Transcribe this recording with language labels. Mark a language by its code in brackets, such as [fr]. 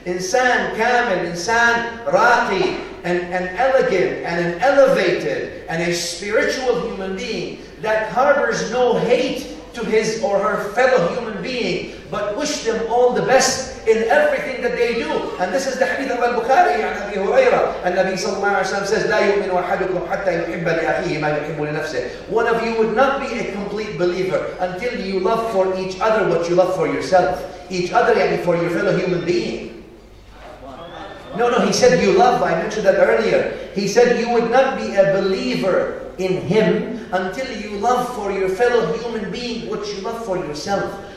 [en] Insan kamil, insan raqi, an elegant and an elevated and a spiritual human being that harbors no hate to his or her fellow human being, but wish them all the best in everything that they do. And this is the hadith of Al-Bukhari, [ar] عن أبي هريرة. النبي صلى الله عليه وسلم [en] says, [ar] لا يؤمن أحدكم حتى يحب لأخيه ما يحب لنفسه. [en] One of you would not be a complete believer until you love for each other what you love for yourself. Each other, يعني for your fellow human being. No, no, he said you love, I mentioned that earlier. He said you would not be a believer in him until you love for your fellow human being what you love for yourself.